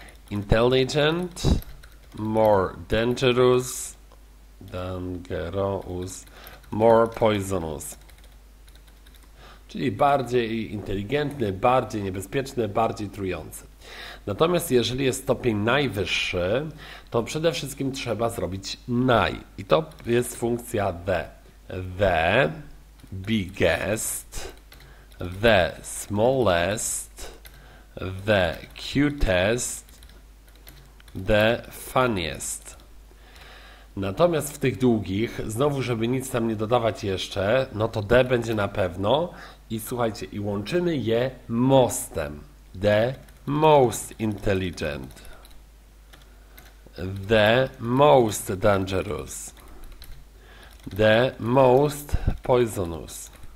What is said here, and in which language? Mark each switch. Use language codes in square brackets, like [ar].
[en] Intelligent, more dangerous, dangerous. More poisonous. [pl] Czyli bardziej inteligentny, bardziej niebezpieczny, bardziej trujący. Natomiast jeżeli jest stopień najwyższy, to przede wszystkim trzeba zrobić naj. I to jest funkcja the. [en] The biggest, the smallest, the cutest, the funniest. [pl] Natomiast w tych długich, znowu, żeby nic tam nie dodawać jeszcze, no to D będzie na pewno. I słuchajcie, i łączymy je mostem. [en] The most intelligent. The most dangerous. The most poisonous.